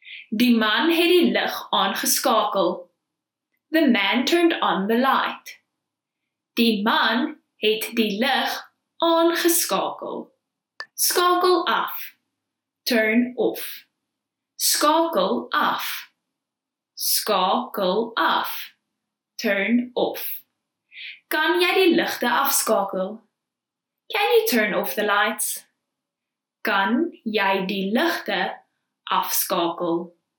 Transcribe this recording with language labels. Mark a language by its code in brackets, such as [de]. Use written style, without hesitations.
[af] Die man het die lig aangeskakel. [en] The man turned on the light. [af] Die man het die lig aangeskakel. Skakel af. [en] Turn off. [af] Skakel af. Skakel af. [en] Turn off. [af] Kan jy die ligte afskakel? [en] Can you turn off the lights? [af] Kan jy die ligte afskakel?